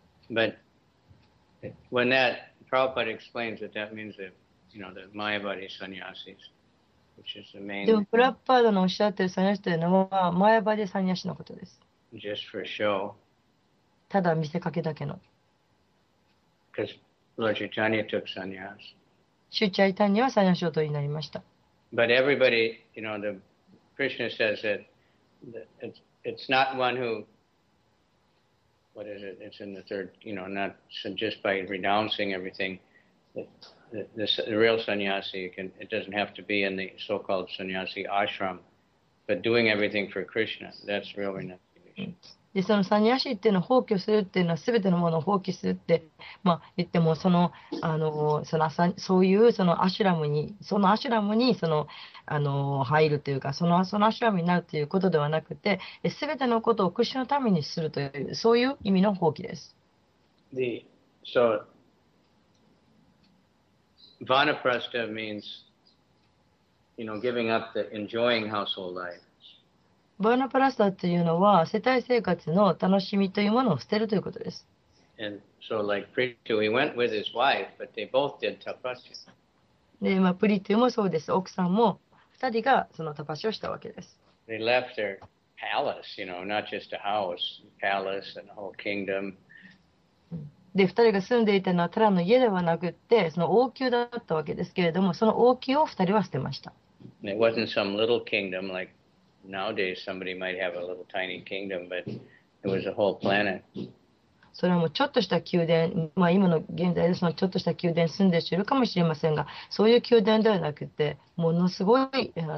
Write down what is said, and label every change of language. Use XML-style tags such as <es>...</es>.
<en>But when that Prabhupada explains it, that means that, you know, the Mayavadi sannyasis, which is the main.</en> <ja>でもプラッパードのおっしゃってるサンニャシというのはマヤバディサンニャシのことです。</ja> <en>Just for show.</en> <ja>ただ見せかけだけの。</ja> <en>Because Lord Chaitanya took sannyas.</en> <ja>シュチャイタニはサンニャシを取りになりました。</ja> <en>But everybody, you know, the Krishna says that it's not one who, what is it? It's in the third, you know, not so just by renouncing everything. The real sannyasi, it doesn't have to be in the so-called sannyasi ashram, but doing everything for Krishna, that's real renunciation.</en> <ja>でそのサニヤシっていうのを放棄するっていうのは全てのものを放棄するって、まあ、言ってもそういうそのアシュラムにそのアシュラムにその入るというかそのアシュラムになるということではなくて全てのことをクリシュナのためにするというそういう意味の放棄です。</ja> <en>The, so Vanaprastha means you know giving up the enjoying household life.</en> <ja>バーナプラスタというのは世帯生活の楽しみというものを捨てるということです。</ja> <en>So like、Prithu, he went with his wife, but they both did tapasya.</en> <ja>で、まあ、プリトゥもそうです。奥さんも二人がそのタパシをしたわけです。</ja> <en>They left their palace, you know, not just a house, palace and a whole kingdom.</en> <ja>で、二人が住んでいたのはただの家ではなくて、その王宮だったわけですけれども、その王宮を二人は捨てました。</ja> <en>It wasn't some little kingdom like. Nowadays, somebody might have a little tiny kingdom, but it was a whole planet.</en> <ja>それはもうちょっとした宮殿、まあ、今の現在でそのちょっとした宮殿に住んでいるかもしれませんが、そういう宮殿ではなくて、ものすごい、</ja>